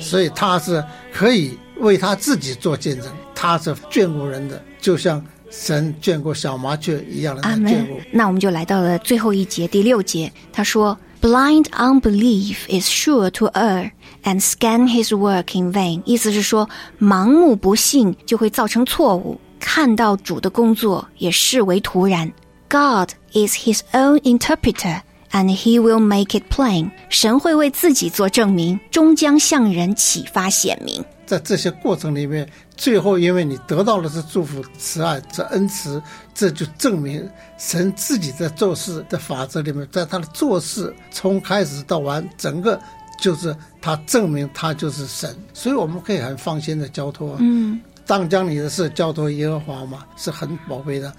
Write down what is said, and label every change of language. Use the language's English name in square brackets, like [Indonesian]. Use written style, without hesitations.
[Chinese] 所以他是可以为他自己做见证，他是眷顾人的，就像神眷顾小麻雀一样的眷顾。那我们就来到了最后一节第六节，他说 [English] Blind unbelief is sure to err and scan his work in vain， [Chinese] 意思是说盲目不信就会造成错误，看到主的工作也视为徒然。 [English] God is his own interpreter and he will make it plain， [Chinese] 神会为自己做证明，终将向人启发显明。在这些过程里面，最后因为你得到的是祝福、慈爱、这恩慈，这就证明神自己在做事的法则里面，在他的做事从开始到完，整个就是他证明他就是神。所以我们可以很放心的交托，当将你的事交托耶和华嘛，是很宝贵的。